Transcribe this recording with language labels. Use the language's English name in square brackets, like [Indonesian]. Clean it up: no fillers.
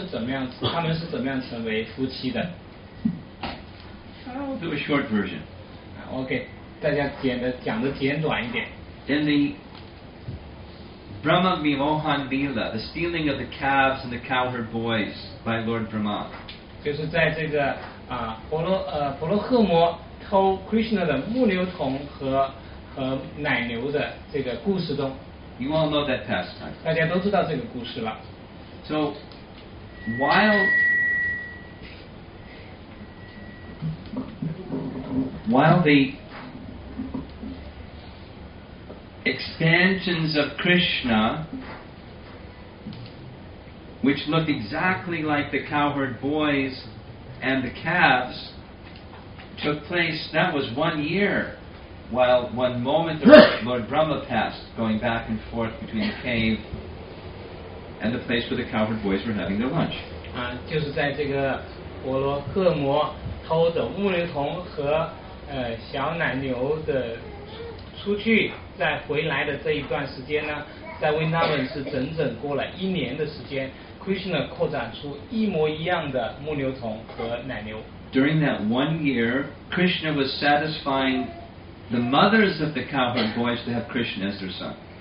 [Chinese] 如果我要是有更多的时间呢，我会解释他们是怎么样成为夫妻的。 [English] I'll do a short version. [Chinese] Okay, 大家讲的简短一点。 [English] In the Brahma Vimohan Leela, the stealing of the calves and the cowherd boys by Lord Brahma. [Chinese] 就是在这个婆罗赫摩偷 Krishna 的牧牛童和奶牛的这个故事中。 [English] You all know that pastime. [Chinese] 大家都知道这个故事了。 [English] So, while the expansions of Krishna, which look exactly like the cowherd boys and the calves, took place, that was 1 year. While one moment Lord Brahma passed, going back and forth between the cave and the place where the cowherd boys were having their lunch. [Chinese] 就是在这个婆罗赫摩偷的牧牛童和小奶牛的出去再回来的这一段时间呢，在Vrindavan是整整过了一年的时间， Krishna扩展出一模一样的牧牛童和奶牛。 [English] During that 1 year, Krishna was satisfying the mothers of the cowherd boys to have Krishna as their son.